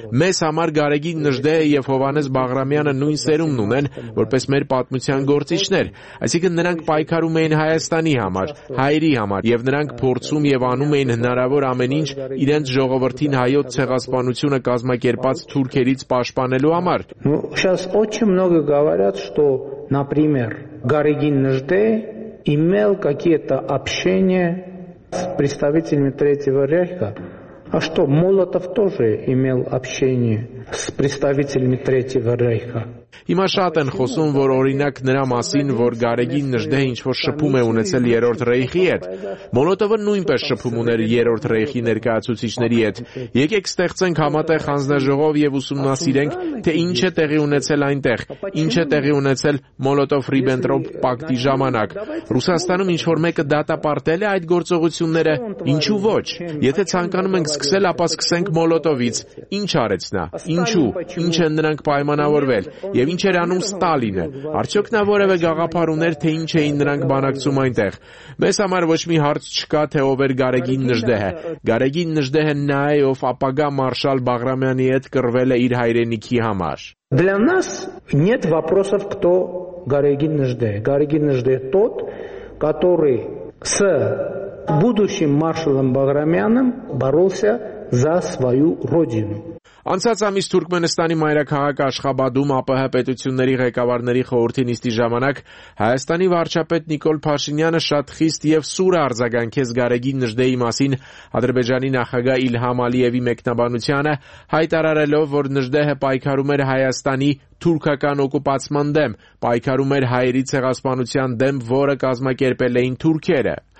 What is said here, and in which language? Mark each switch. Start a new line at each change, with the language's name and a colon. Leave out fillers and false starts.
Armenian: Մեզ համար Գարեգին Նժդեհը և Հովանես Բաղրամյանը նույն սերումն ունեն որպես մեր պատմության գործիչներ, այսինքն նրանք պայքարում էին Հայաստանի համար, հայերի համար, և նրանք փորձում և անում էին հնարավոր ամեն ինչ իրենց ժողովրդին հայոց ցեղասպանությունը կազմակերպած թուրքերից պաշտպանելու համար։ Շատ
Russian: очень много говорят, что, например, Գարեգին Նժդե имел какие-то общения с представителями Третьего рейха. А что, Молотов тоже имел общение с представителями Третьего рейха?
Armenian: Հիմա շատ են խոսում, որ օրինակ նրա մասին, որ Գարեգին Նժդեհ ինչ-որ շփում է ունեցել Երրորդ Ռեյխի հետ։ Մոլոտովը նույնպես շփում ուներ Երրորդ Ռեյխի ներկայացուցիչների հետ։ Եկեք ստեղծենք համատեղ հանձնաժողով և ուսումնասիրենք, թե ինչ է տեղի ունեցել այնտեղ, ինչ է տեղի ունեցել Մոլոտով-Ռիբենտրոպ պակտի ժամանակ։ Ռուսաստանում ինչ-որ մեկը դատապարտել է այդ գործողությունները, ինչու ոչ։ Եթե ցանկանում ենք սկսել, ապա սկսենք Մոլոտովից։ Ինչ արեց նա, ինչու, ինչ են նրանք պայմանավորվել, և ինչ էր անում Ստալինը, արդյոք նա որևէ գաղափար ուներ, թե ինչ էին նրանք բանակցում այնտեղ։ Մեզ համար ոչ մի հարց չկա, թե ով էր Գարեգին Նժդեհը։ Գարեգին Նժդեհը նա է, ով ապագա մարշալ Բաղրամյանի հետ կրվել է իր հայրենիքի համար։
Russian: Для нас нет вопросов, кто Գարեգին Նժդեհ. Գարեգին Նժդեհ тот, который с будущим маршалом Баграмяном боролся за свою родину.
Armenian: Անցած ամիս Թուրքմենստանի մայրաքաղաք Աշխաբադում ԱՊՀ պետությունների ղեկավարների խորհրդի նիստի ժամանակ Հայաստանի վարչապետ Նիկոլ Փաշինյանը շատ խիստ և սուր արձագանքեց Գարեգին Նժդեհի մասին Ադրբեջանի նախագահ Իլհամ Ալիևի մեկնաբանությանը, հայտարարելով, որ Նժդեհը պայքարում էր Հայաստանի թուրքական օկուպացման դեմ, պայքարում էր հայերի ցեղասպանության դեմ, որը կազմակերպել էին թուրքերը։